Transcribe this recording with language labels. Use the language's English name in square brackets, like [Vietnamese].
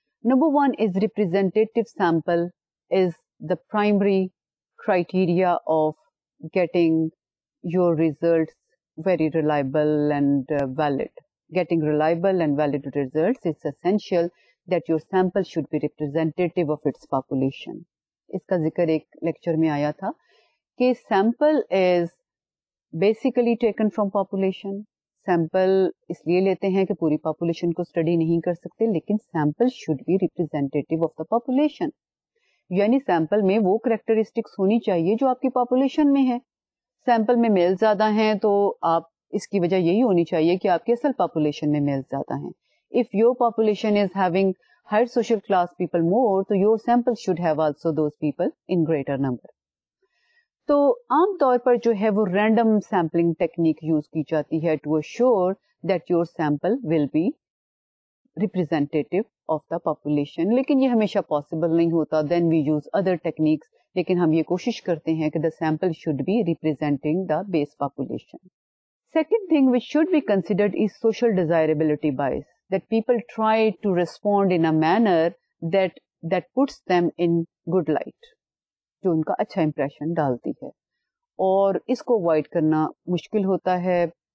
[English] Number one is representative sample is the primary criteria of getting your results very reliable and valid. Getting reliable and valid results, it's essential that your sample should be representative of its population. [Urdu] Iska zikr ek lecture mein aaya tha. [English] Sample is basically taken from population. [Urdu] Sample اس لیے لیتے ہیں کہ پوری population کو study نہیں کر سکتے, لیکن sample [English] should be representative of the population, [Urdu] یعنی سیمپل میں وہ کریکٹرسٹکس ہونی چاہیے جو آپ کی پاپولیشن میں ہے. سیمپل میں میل زیادہ ہیں تو آپ اس کی وجہ یہی ہونی چاہیے کہ آپ کے اصل پاپولیشن میں میل زیادہ ہیں. [English] If your population is having higher social class people more, تو your sample should have also those people in greater number. [Urdu] تو عام طور پر جو ہے وہ رینڈم سیمپلنگ ٹیکنیک یوز کی جاتی ہے [English] to ensure that your sample will be representative of the population, [Urdu] لیکن یہ ہمیشہ پاسبل نہیں ہوتا. [English] then we use other techniques, [Urdu] لیکن ہم یہ کوشش کرتے ہیں کہ [English] The sample should be representing the base population. Second thing which should be considered is social desirability bias, that people try to respond in a manner that puts them in good light, [Urdu] جو ان کا اچھا impression ڈالتی ہے, اور اس کو avoid کرنا مشکل ہوتا ہے.